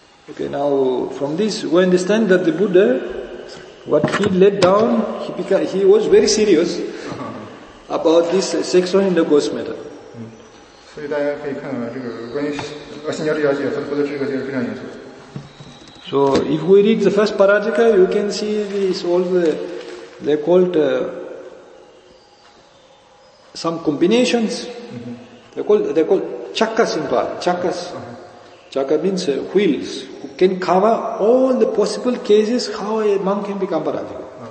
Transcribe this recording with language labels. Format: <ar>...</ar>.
<en>Okay, now from this we understand that the Buddha, what he laid down, he was very serious about this sexual intercourse matter.</en> <zh>所以大家可以看到这个关于性交的了解和这个就是非常严肃。</zh> <en>So if we read the first paratika, you can see these all they're called some combinations. Mm-hmm. They're called chakkas in Pali. Chakkas. Uh-huh. Chakka means wheels. Who can cover all the possible cases how a monk can become paratika.</en>